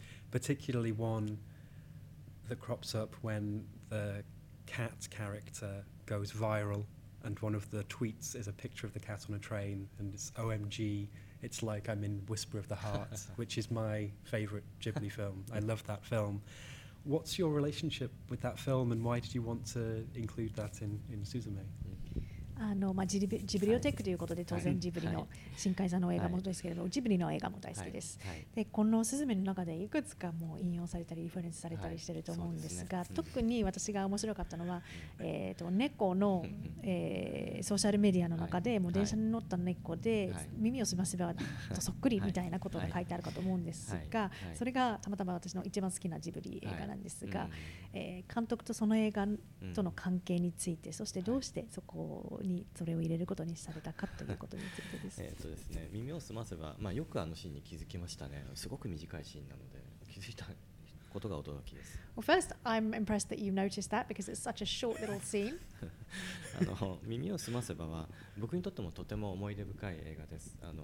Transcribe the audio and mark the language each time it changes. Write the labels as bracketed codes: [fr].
[en] Particularly one that crops up when the cat character goes viral, and one of the tweets is a picture of the cat on a train, and it's OMG, it's like I'm in Whisper of the Heart, which is my favorite Ghibli film. I love that film. What's your relationship with that film, and why did you want to include that in Suzume? [ja] まあ、ジブリオテックということで、当然ジブリの新海さんの映画もですけれども、ジブリの映画も大好きです。でこのスズメの中でいくつかもう引用されたりリファレンスされたりしてると思うんですが、特に私が面白かったのは、猫の、ソーシャルメディアの中でもう電車に乗った猫で耳を澄ませばとそっくりみたいなことが書いてあるかと思うんですが、それがたまたま私の一番好きなジブリ映画なんですが、監督とその映画との関係について、そしてどうしてそこをにそれを入れることにされたかということについてです。ですね、耳を澄ませば、まあ、よくあのシーンに気づきましたね。すごく短いシーンなので気づいたことが驚きです。 [en] Well, first, I'm impressed that you noticed that because it's such a short little scene. [ja] 耳を澄ませばは僕にとってもとても思い出深い映画です。